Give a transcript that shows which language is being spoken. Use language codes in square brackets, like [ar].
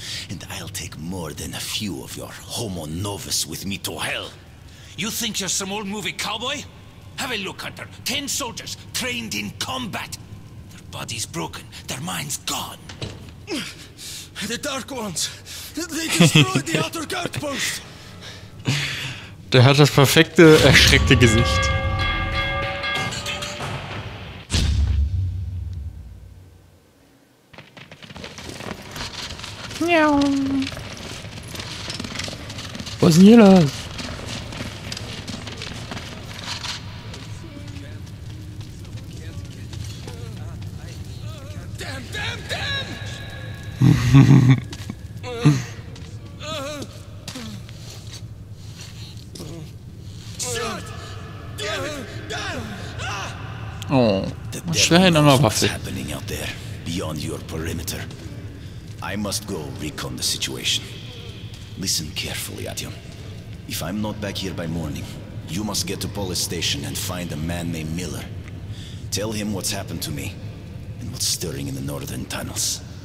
[en] And I'll take more than a few of your Homo Novus with me to hell. You think you're some old movie cowboy? Have a look, Hunter. 10 soldiers trained in combat. Their bodies broken, their minds gone. The Dark Ones! They destroyed the outer guard post! [de] Der hat das perfekte, erschreckte Gesicht. Was ist denn hier los? [en] Damn, damn, damn! [de] Oh, schwer in einer Waffe. [en] Happening out there, beyond your perimeter. I must go recon the situation. Listen carefully, Artyom. If I'm not back here by morning, you must get to police station and find a man named Miller. Tell him what's happened to me and what's stirring in the northern tunnels.